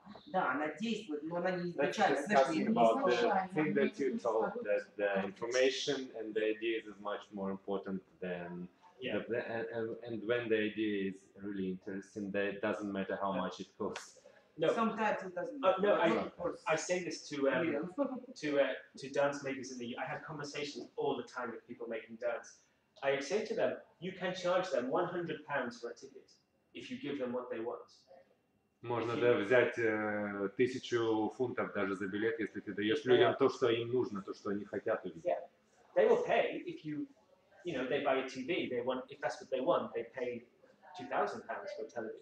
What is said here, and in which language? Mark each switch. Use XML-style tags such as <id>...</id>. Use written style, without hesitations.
<ru>Да, она действует, но она не изучает.</ru> <en>Think that you told that the information and the ideas is much more important than. Yeah. And when the idea is really interesting, that it doesn't matter how much it costs. No. Sometimes it doesn't. No, I say this to dance makers in the. I have conversations all the time with people making dance. I say to them, you can charge them £100 for a ticket if you give them what they want.</en> <ru>Можно да взять 1000 фунтов даже за билет, если ты даешь людям то, что им нужно, то, что они хотят увидеть.</ru> <en>Yeah. They will pay if you. You know, they buy a TV. They want, if that's what they want, they pay £2,000 for a television.</en>